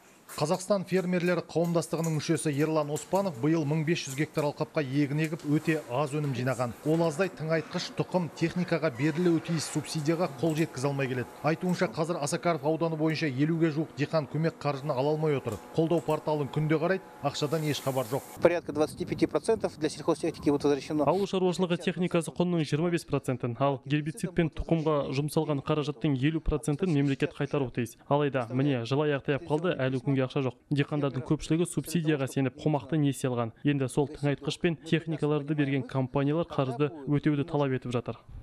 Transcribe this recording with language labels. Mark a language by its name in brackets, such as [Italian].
[Kazakh] Қазақстан фермерлері қауымдастығының мүшесі Ерлан Оспанов биыл 1500 гектар алқапқа егін егіп өте аз өнім жинаған. Ол аздай тыңайтқыш, тұқым, техникаға берілуі тиіс субсидияға қол жеткізе алмай келеді. Айтуынша, қазір Осакаров ауданы бойынша 50-ге жуық диқан көмек қаржыны ала алмай отыр. Қолдау порталын күнде қарайды, ақшадан еш хабар жоқ. [Russian] Порядка 25% для сельхозтехники будет возвращено. [Kazakh] Ауыл шаруашылығы техникасы құнының 25%-ын, ал гербицид пен тұқымға жұмсалған қаражаттың 50%-ын мемлекет қайтаруы тиіс. Алайда, міне, жыл аяқтап қалды, әлі ақша жоқ. Диқандардың көпшілігі субсидияға сеніп қомақты несие алған. Енді сол тыңайтқыш пен техникаларды берген компаниялар қарызды өтеуді талап етіп жатыр.